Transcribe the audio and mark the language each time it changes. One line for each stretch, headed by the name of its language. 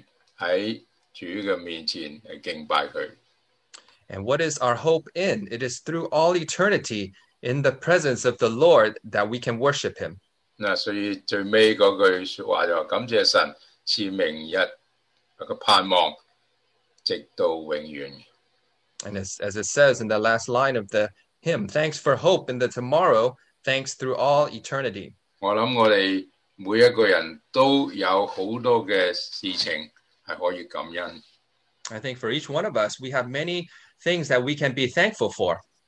Chinese: 是直到永遠在主的面前敬拜祂。
English: And what is our hope in? It is through all eternity in the presence of the Lord that we can worship Him.
Chinese: 那所以最後那句話就是感謝神,賜明日的盼望, 直到永遠。
English: And as it says in the last line of the hymn, thanks for hope in the tomorrow, thanks through all eternity.
Chinese: 我想我們每一個人都有很多的事情是可以感恩。
English: I think for each one of us, we have many things that we can be thankful for.